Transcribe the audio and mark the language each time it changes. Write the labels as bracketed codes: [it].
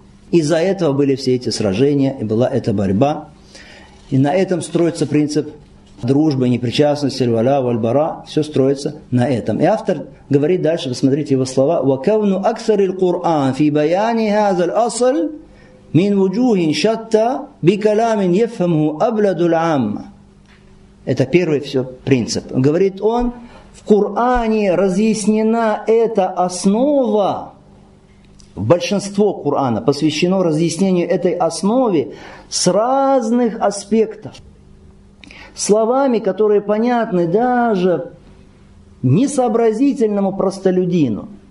[ru] Из-за этого были все эти сражения и была эта борьба. И на этом строится принцип дружбы, непричастности, валя, вальбара. Все строится на этом. И автор говорит дальше, посмотрите его слова. [ar] وَكَوْنُ أَكْثَرِ الْقُرْآنِ فِي بَيَانِ هَذَا الْأَصْلِ من وجوه شتى بكلام يفهمه أبلد العامة. [ru] Это первый все принцип. Говорит он, в Коране разъяснена эта основа, большинство Корана посвящено разъяснению этой основы с разных аспектов. Словами, которые понятны даже несообразительному простолюдину.